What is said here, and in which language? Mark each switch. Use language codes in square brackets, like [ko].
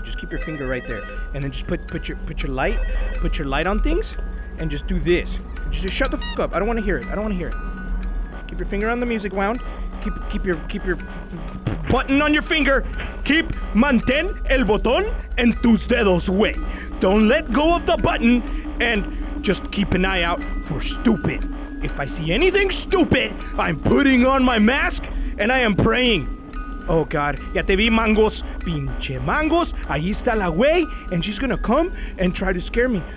[en] Just keep your finger right there. And then just put your light on things and just do this. Just shut the fuck up. I don't wanna hear it. I don't wanna hear it. Keep your finger on the music wound. Keep your button on your finger. [es] Keep mantén el botón en tus dedos, güey. [en] Don't let go of the button and just keep an eye out for stupid. If I see anything stupid, I'm putting on my mask and I am praying. Oh God, [es] ya te vi, mangos. Pinche mangos, ahí está la güey, [en] and she's gonna come and try to scare me.